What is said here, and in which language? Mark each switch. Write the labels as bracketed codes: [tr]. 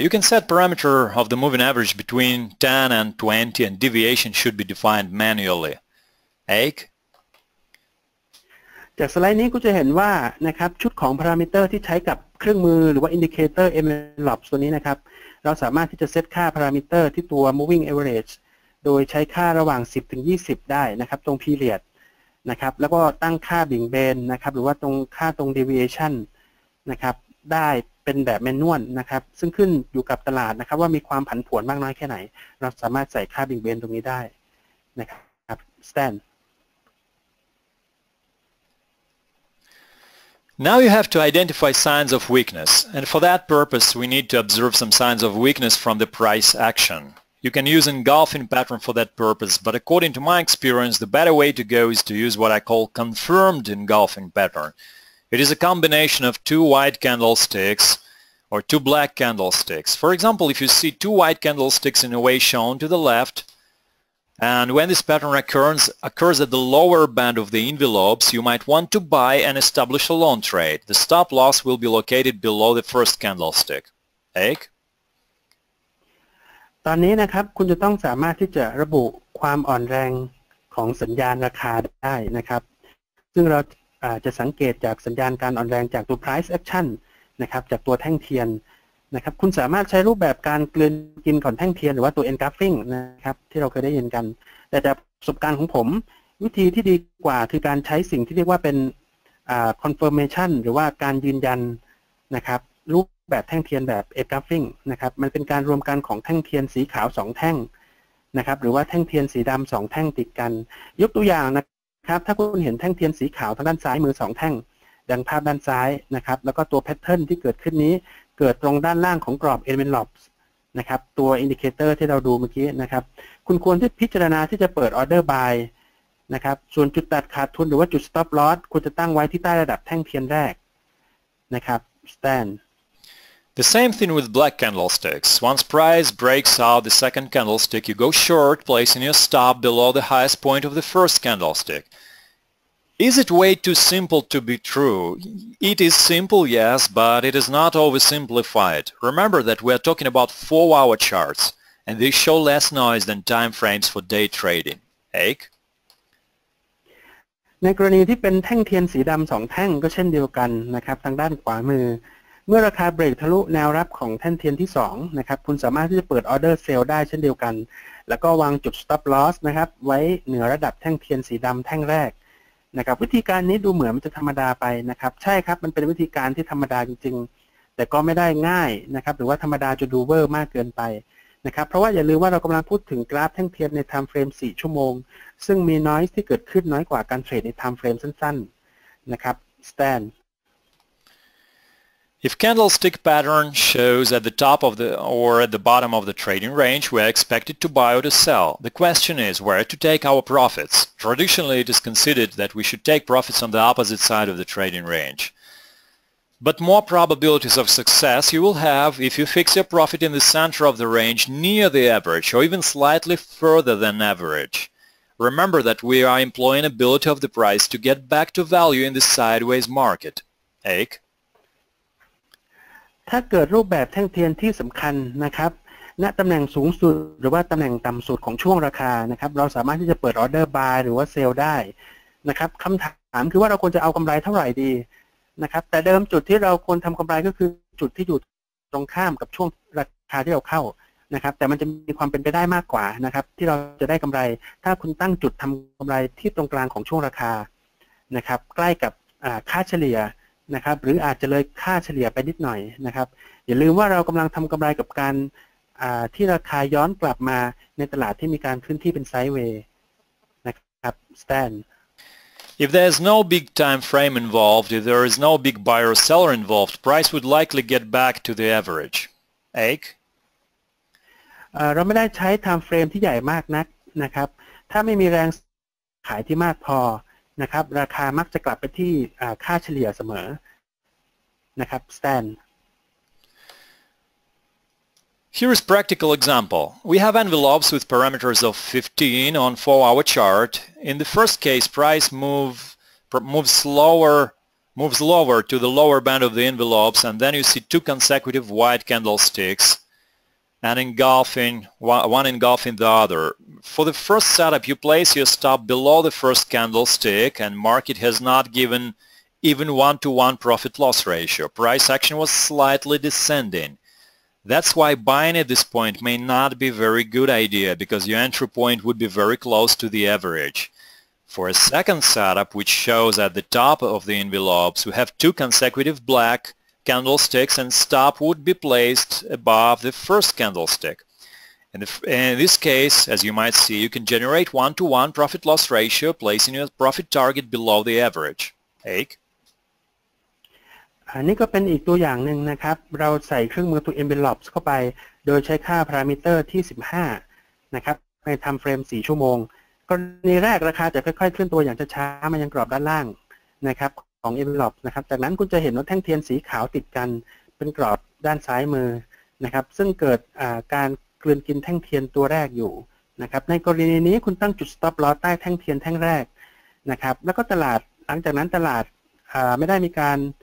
[en] You can set parameter of the moving average between 10 and 20 and deviation should be defined manually. Ake? [th] จากสไลด์นี้ก็จะเห็นว่านะครับชุดของพารามิเตอร์ที่ใช้กับเครื่องมือหรือว่าอินดิเคเตอร์ envelopes ตัวนี้นะครับเราสามารถที่จะเซตค่าพารามิเตอร์ที่ตัว moving average โดยใช้ค่าระหว่าง10ถึง20ได้นะครับตรง period นะครับแล้วก็ตั้งค่าบิ่งเบนนะครับหรือว่าตรงค่าตรง deviationนะครับได้เป็นแบบแมนนวลนะครับซึ่งขึ้นอยู่กับตลาดนะครับว่ามีความผันผวนมากน้อยแค่ไหนเราสามารถใส่ค่าบิ่งเบนตรงนี้ได้นะครับ stand [en] Now you have to identify signs of weakness and for that purpose we need to observe some signs of weakness from the price action you can use engulfing pattern for that purpose but according to my experience the better way to go is to use what I call confirmed engulfing patternIt is a combination of two white candlesticks or two black candlesticks. For example, if you see two white candlesticks in a way shown to the left, and when this pattern occurs at the lower band of the envelopes, you might want to buy and establish a long trade. The stop loss will be located below the first candlestick. Ake? [th] ตอนนี้นะครับคุณจะต้องสามารถที่จะระบุความอ่อนแรงของสัญญาณราคาได้นะครับซึ่งเราจะสังเกตจากสัญญาณการอ่อนแรงจากตัว price action นะครับจากตัวแท่งเทียนนะครับคุณสามารถใช้รูปแบบการกลืนกินก่อนแท่งเทียนหรือว่าตัว engulfing นะครับที่เราเคยได้ยินกันแต่จากประสบการณ์ของผมวิธีที่ดีกว่าคือการใช้สิ่งที่เรียกว่าเป็น confirmation หรือว่าการยืนยันนะครับรูปแบบแท่งเทียนแบบ engulfing นะครับมันเป็นการรวมกันของแท่งเทียนสีขาว2แท่งนะครับหรือว่าแท่งเทียนสีดํา2แท่งติดกันยกตัวอย่างนะครับถ้าคุณเห็นแท่งเทียนสีขาวทางด้านซ้ายมือ2แท่ง ดังภาพด้านซ้ายนะครับแล้วก็ตัวแพทเทิร์นที่เกิดขึ้นนี้เกิดตรงด้านล่างของกรอบ envelopes นะครับตัวอินดิเคเตอร์ที่เราดูเมื่อกี้นะครับคุณควรที่พิจารณาที่จะเปิด order buy นะครับส่วนจุดตัดขาดทุนหรือว่าจุด stop loss คุณจะตั้งไว้ที่ใต้ระดับแท่งเทียนแรกนะครับ stand [en] The same thing with black candlesticks once price breaks out the second candlestick you go short placing your stop below the highest point of the first candlestick Is it way too simple to be true? It is simple, yes, but it is not oversimplified. Remember that we are talking about 4-hour charts, and they show less noise than time frames for day trading. Eric? [th] ในกรณีที่เป็นแท่งเทียนสีดำสองแท่งก็เช่นเดียวกันนะครับทางด้านขวามือเมื่อราคาเบรกทะลุแนวรับของแท่งเทียนที่สองนะครับคุณสามารถที่จะเปิดออเดอร์เซลล์ได้เช่นเดียวกันแล้วก็วางจุดสต็อปลอสนะครับไว้เหนือระดับแท่งเทียนสีดำแท่งแรก นะครับวิธีการนี้ดูเหมือนมันจะธรรมดาไปนะครับใช่ครับมันเป็นวิธีการที่ธรรมดาจริงๆแต่ก็ไม่ได้ง่ายนะครับหรือว่าธรรมดาจะดูเวอร์มากเกินไปนะครับเพราะว่าอย่าลืมว่าเรากำลังพูดถึงกราฟแท่งเทียนใน time frame 4ชั่วโมงซึ่งมีน้อยที่เกิดขึ้นน้อยกว่าการเทรดใน time frame สั้นๆนะครับ Stan [en] If candlestick pattern shows at the top of the or at the bottom of the trading range we are expected to buy or to sell the question is where to take our profits traditionally it is considered that we should take profits on the opposite side of the trading rangeBut more probabilities of success you will have if you fix your profit in the center of the range near the average or even slightly further than average. Remember that we are employing ability of the price to get back to value in the sideways market. Eric? [th] ถ้าเกิดรูปแบบแท่งเทียนที่สำคัญนะครับณตำแหน่งสูงสุดหรือว่าตำแหน่งต่ำสุดของช่วงราคานะครับเราสามารถที่จะเปิดออเดอร์บายหรือว่าเซลล์ได้นะครับคำถามคือว่าเราควรจะเอากำไรเท่าไหร่ดีนะครับแต่เดิมจุดที่เราควรทำกำไรก็คือจุดที่อยู่ตรงข้ามกับช่วงราคาที่เราเข้านะครับแต่มันจะมีความเป็นไปได้มากกว่านะครับที่เราจะได้กำไรถ้าคุณตั้งจุดทำกำไรที่ตรงกลางของช่วงราคา นะครับใกล้กับค่าเฉลี่ยนะครับหรืออาจจะเลยค่าเฉลี่ยไปนิดหน่อยนะครับอย่าลืมว่าเรากำลังทำกำไรกับการที่ราคาย้อนกลับมาในตลาดที่มีการขึ้นที่เป็นไซด์เวย์นะครับสแตน [en] If there is no big time frame involved, if there is no big buyer or seller involved, price would likely get back to the average. Eric? [th] เราไม่ได้ใช้ time frame ที่ใหญ่มากนักนะครับถ้าไม่มีแรงขายที่มากพอนะครับราคามักจะกลับไปที่ค่าเฉลี่ยเสมอนะครับ Stan [en] Here is practical example. We have envelopes with parameters of 15 on 4-hour chart. In the first case, price moves lower to the lower band of the envelopes, and then you see two consecutive white candlesticks, and one engulfing the other. For the first setup, you place your stop below the first candlestick, and market has not given even 1-to-1 profit loss ratio. Price action was slightly descending. That's why buying at this point may not be a very good idea because your entry point would be very close to the average. For a second setup which shows at the top of the envelopes, we have two consecutive black candlesticks and stop would be placed above the first candlestick. In this case, as you might see, you can generate 1-to-1 profit loss ratio placing your profit target below the average. Eric? [th] อันนี้ก็เป็นอีกตัวอย่างหนึ่งนะครับเราใส่เครื่องมือตัว envelopes เข้าไปโดยใช้ค่าพารามิเตอร์ที่15นะครับในทำเฟรม4ชั่วโมงกรณีแรกราคาจะค่อยๆเคลื่อนตัวอย่างช้าๆมายังกรอบด้านล่างนะครับของ envelopes นะครับจากนั้นคุณจะเห็นว่าแท่งเทียนสีขาวติดกันเป็นกรอบด้านซ้ายมือนะครับซึ่งเกิดการกลืนกินแท่งเทียนตัวแรกอยู่นะครับในกรณีนี้คุณตั้งจุด stop loss ใต้แท่งเทียนแท่งแรกนะครับแล้วก็ตลาดหลังจากนั้นตลาดไม่ได้มีการ